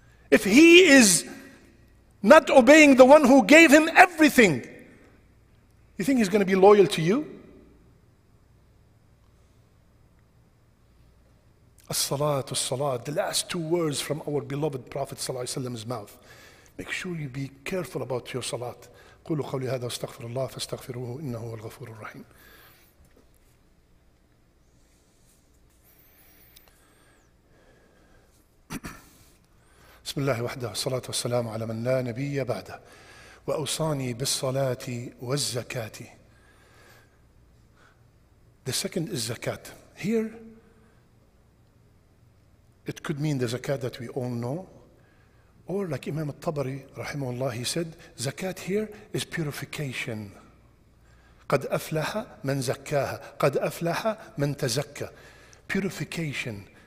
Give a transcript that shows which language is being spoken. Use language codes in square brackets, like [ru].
[en] If he is not obeying the one who gave him everything, you think he's going to be loyal to you? As-salatu as-salat, the last two words from our beloved Prophet sallallahu alayhi wa sallam's mouth. Make sure you be careful about your salat. [ar] قولوا قولي هذا واستغفر الله فاستغفروه إنه هو الغفور الرحيم. بسم الله وحده الصلاة والسلام على من لا نبي بعده وأوصاني بالصلاة والزكاة. [en] The second is zakat. Here, it could mean the zakat that we all know. Or like Imam al-Tabari, rahimahullah, he said, zakat here is purification. [ar] قَدْ أَفْلَحَ مَنْ زَكَّاهَا قَدْ أَفْلَحَ مَنْ تَزَكَّى [en] Purification.